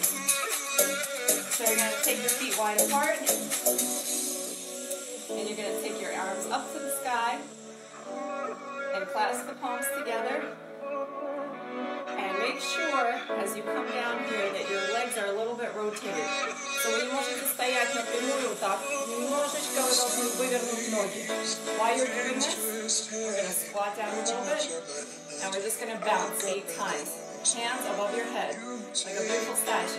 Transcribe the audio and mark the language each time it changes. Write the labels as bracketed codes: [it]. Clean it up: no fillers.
[en] So you're going to take your feet wide apart, and you're going to take your arms up to the sky, and clasp the palms together, and make sure, as you come down here, that your legs are a little bit rotated. [ru] So вы не можете стоять на прямую, так? Немножечко вы должны вывернуть ноги. [en] While you're doing this, we're going to squat down a little bit, and we're just going to bounce 8 times. Hands above your head, like a beautiful statue.